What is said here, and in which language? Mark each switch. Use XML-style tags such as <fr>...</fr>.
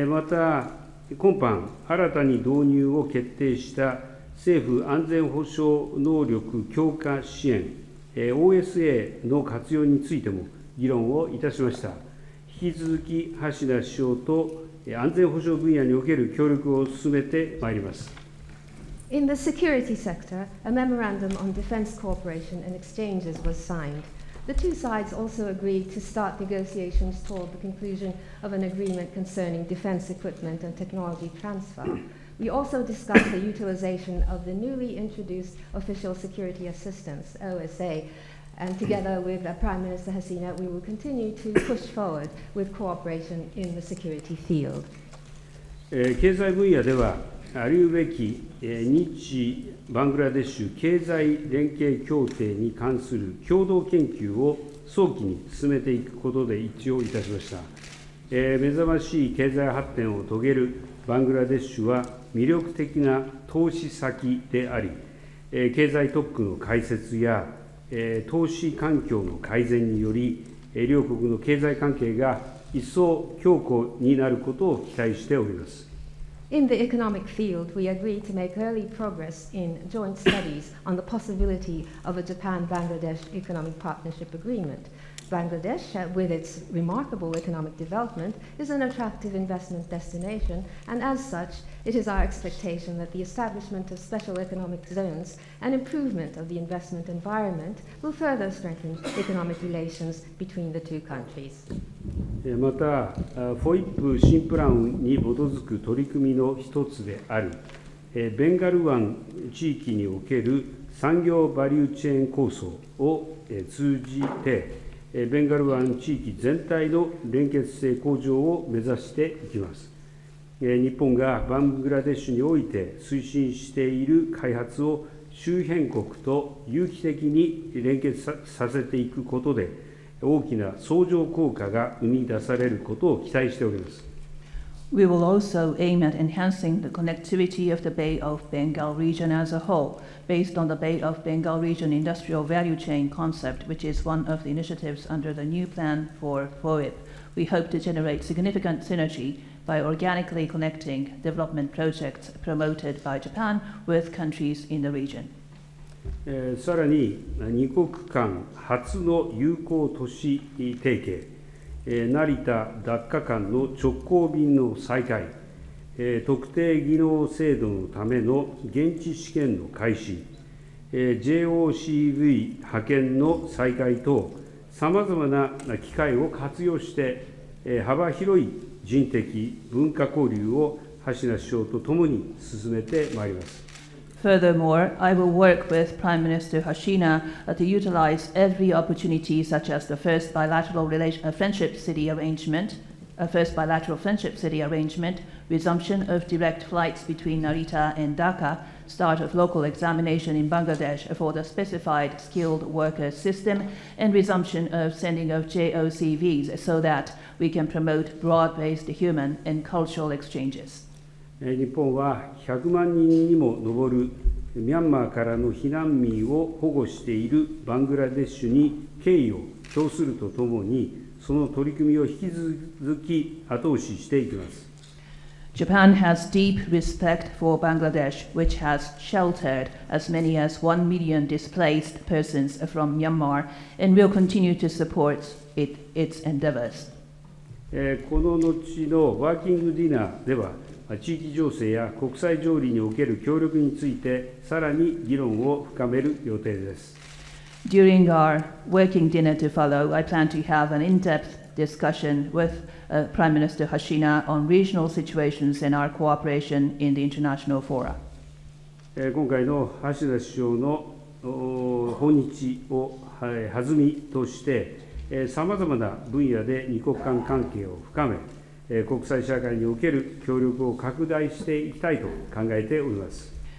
<ja>また今般新たに導入を決定した政府安全保障能力強化支援 OSA の活用についても議論をいたしました。引き続き橋田首相と安全保障分野における協力を進めてまいります。</ja> <en>In the security sector, a memorandum on defense cooperation and exchanges was signed. The two sides also agreed to start negotiations toward the conclusion of an agreement concerning defense equipment and technology transfer. We also discussed the utilization of the newly introduced official security assistance, OSA, and together with Prime Minister Hasina, we will continue to push forward with cooperation in the security field.</en> <ja>経済分野ではありうべき日バングラデシュ経済連携協定に関する共同研究を早期に進めていくことで一致をいたしました。目覚ましい経済発展を遂げるバングラデシュは魅力的な投資先であり、経済特区の開設や投資環境の改善により両国の経済関係が一層強固になることを期待しております。</ja> <en>In the economic field, we agreed to make early progress in joint studies on the possibility of a Japan-Bangladesh economic partnership agreement. Bangladesh, with its remarkable economic development, is an attractive investment destination, and as such, it is our expectation that the establishment of special economic zones and improvement of the investment environment will further strengthen economic relations between the two countries.</en> <ja>また、FOIP 新プランに基づく取り組みの一つである、ベンガル湾地域における産業バリューチェーン構想を通じて、ベンガル湾地域全体の連結性向上を目指していきます。日本がバングラデシュにおいて推進している開発を周辺国と有機的に連結させていくことで、大きな相乗効果が生み出されることを期待しております。</ja> <en>We will also aim at enhancing the connectivity of the Bay of Bengal region as a whole, based on the Bay of Bengal region industrial value chain concept, which is one of the initiatives under the new plan for FOIP. We hope to generate significant synergy by organically connecting development projects promoted by Japan with countries in the region.</en> <ja>さらに2国間初の友好都市提携、成田ダッカ間の直行便の再開、特定技能制度のための現地試験の開始、JOCV 派遣の再開等、さまざまな機会を活用して、幅広い人的文化交流を橋田首相とともに進めてまいります。</ja> <en>Furthermore, I will work with Prime Minister Hasina to utilize every opportunity, such as the first bilateral friendship city arrangement, resumption of direct flights between Narita and Dhaka, start of local examination in Bangladesh for the specified skilled worker system, and resumption of sending of JOCVs so that we can promote broad-based human and cultural exchanges.</en> <ja>日本は100万人にも上るミャンマーからの避難民を保護しているバングラデシュに敬意を表するとともに、その取り組みを引き続き後押ししていきます。</ja> <en>Japan has deep respect for Bangladesh, which has sheltered as many as 1 million displaced persons from Myanmar, and will continue to support its endeavors.</en> <ja>この後のワーキングディナーでは、地域情勢や国際条理における協力についてさらに議論を深める予定です。</ja> <en>During our working dinner to follow, I plan to have an in-depth discussion with Prime Minister Hasina on regional situations and our cooperation in the international fora.</en> <ja>今回の橋田首相の訪日を弾みとして、さまざまな分野で二国間関係を深め、国際社会における協力を拡大していきたいと考えております。</ja>